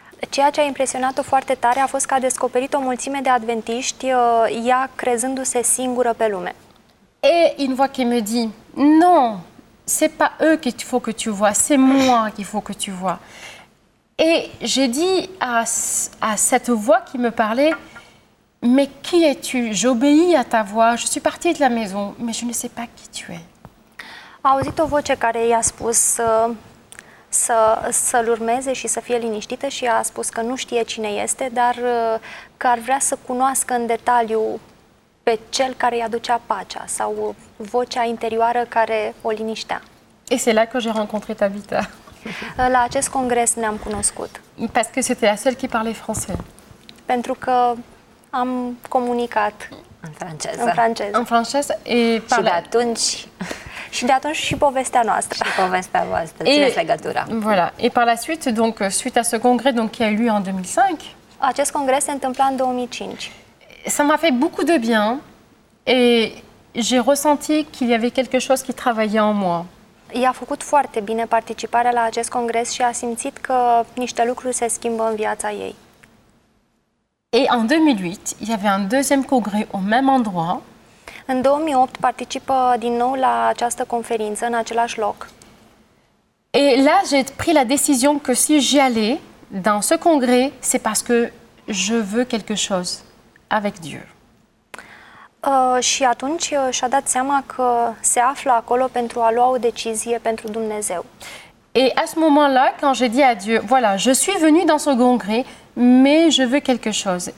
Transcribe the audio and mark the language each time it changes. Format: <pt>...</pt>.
<ro>Ceea ce a impresionat-o foarte tare a fost că a descoperit o mulțime de adventiști, ea crezându-se singură pe lume.</ro> <fr>Et une voix qui me dit: "Non, c'est pas eux qu'il faut que tu vois, c'est moi qu'il faut que tu vois." Et j'ai dit à cette voix qui me parlait, mais qui es-tu? J'obéis à ta voix, je suis partie de la maison, mais je ne sais pas qui tu es.</fr> <ro>A auzit o voce care i-a spus să-l urmeze și să fie liniștită și a spus că nu știe cine este, dar că ar vrea să cunoască în detaliu pe cel care îi aducea pacea sau vocea interioară care o liniștea.</ro> <fr>Et c'est là que j'ai rencontré Tabitha.</fr> <ro>La acest congres ne-am cunoscut.</ro> <fr>Parce que c'était la seule qui parlait français.</fr> <ro>Pentru că am comunicat în franceză.</ro> <fr>En français et par la...</fr> <ro>Și de atunci. Și de atunci și povestea noastră. Și povestea voastră, țineți legătura.</ro> <fr>Voilà. Et par la suite, donc, suite à ce congrès donc, qui a eu lieu en 2005.</fr> <ro>Acest congrès s'a întâmplat în 2005.</ro> <fr>Ça m'a fait beaucoup de bien et j'ai ressenti qu'il y avait quelque chose qui travaillait en moi.</fr> <ro>I-a făcut foarte bine participarea la acest congres și a simțit că niște lucruri se schimbă în viața ei.</ro> <fr>Et en 2008, il y avait un deuxième congrès au même endroit.</fr> <ro>În 2008 participă din nou la această conferință în același loc.</ro> <fr>Et là, j'ai pris la décision que si j'y allais dans ce congrès, c'est parce que je veux quelque chose avec Dieu.</fr> <ro>Și atunci și-a dat seama că se află acolo pentru a lua o decizie pentru Dumnezeu.</ro> <fr>Et à ce moment-là, quand j'ai dit à Dieu, voilà, je suis venu dans ce congrès, mais je veux quelque chose.</fr>